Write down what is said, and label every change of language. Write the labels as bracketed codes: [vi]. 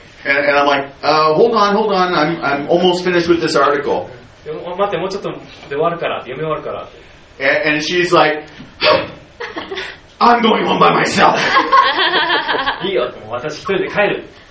[en] And I'm like,hold on, I'm almost finished with this article. [ja] 待って、もうちょっとで終わるから、読み終わるから。 [en] And she's like, I'm going home by myself. [ja] いいよ、もう私一人で帰る。